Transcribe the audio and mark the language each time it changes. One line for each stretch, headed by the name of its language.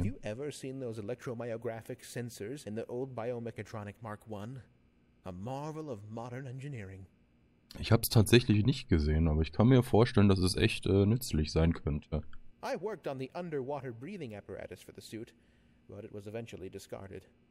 English: Have you ever seen those electromyographic sensors in the old Biomechatronic Mark I? A marvel of modern engineering.
German: Ich habe es tatsächlich nicht gesehen, aber ich kann mir vorstellen, dass es echt nützlich sein könnte.
English: I worked on the underwater breathing apparatus for the suit, but it was eventually discarded.